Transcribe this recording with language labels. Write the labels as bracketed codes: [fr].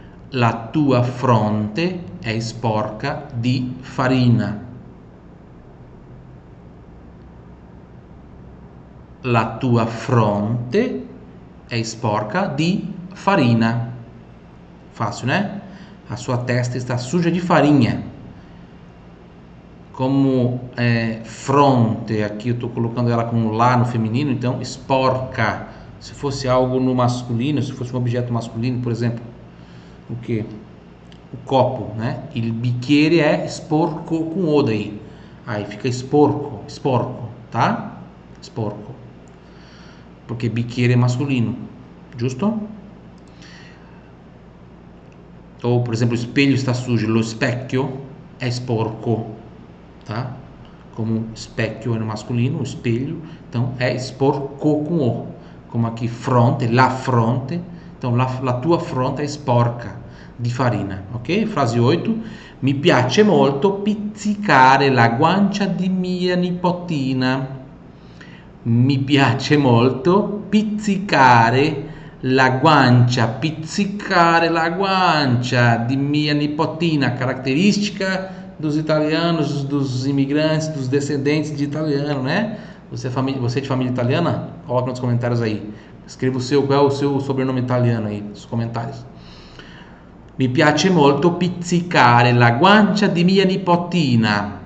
[it] La tua fronte è sporca di farina. La tua fronte è sporca di farina. Facile, né? [pt] A sua testa está suja de farinha. Como é fronte, aqui eu estou colocando ela com lá no feminino, então esporca. Se fosse algo no masculino, se fosse um objeto masculino, por exemplo, o quê? O copo, né? [it] Il bicchiere è sporco [pt] com o daí. Aí fica esporco, esporco, tá? Esporco. Porque bicchiere é masculino, giusto? Ou, por exemplo, o espelho está sujo. [it] Lo specchio è sporco. [pt] Tá? como specchio é no masculino, espelho, então é sporco com o, como aqui fronte, la fronte, então [it] la tua fronte è sporca di farina, [pt] ok? [it] Frase 8, mi piace molto pizzicare la guancia di mia nipotina, mi piace molto pizzicare la guancia, pizzicare la guancia di mia nipotina, caratteristica [pt] dos italianos, dos imigrantes, dos descendentes de italiano, [it] né? [pt] Você é de família italiana? Coloca nos comentários aí. Escreva qual é o seu sobrenome italiano aí, nos comentários. [it] Mi piace molto pizzicare la guancia di mia nipotina.